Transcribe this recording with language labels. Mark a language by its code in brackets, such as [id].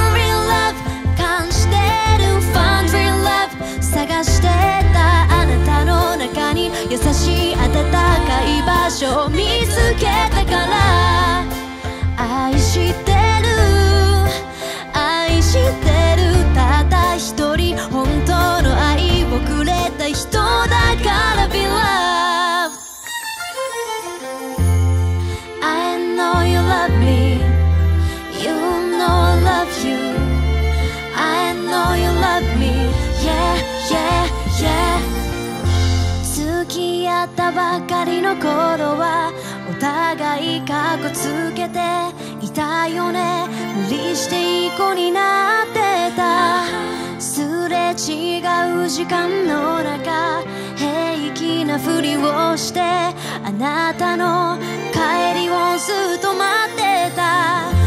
[en] One real love [ja] 感じてる、 [en] Found real love [ja] 探してたあなたの中に優しい温かい場所を見つけたから、愛してる愛してる、ただ一人本当の愛をくれた人だから。 [en] Be love I know you love me, you know I love you, I know you love me, yeah yeah yeah。 [ja] 付き合ったばかりの頃はお互いカッコつけていたよね、無理していい子になってた。すれ違う時間の中平気なふりをしてあなたの帰りをずっと待ってた。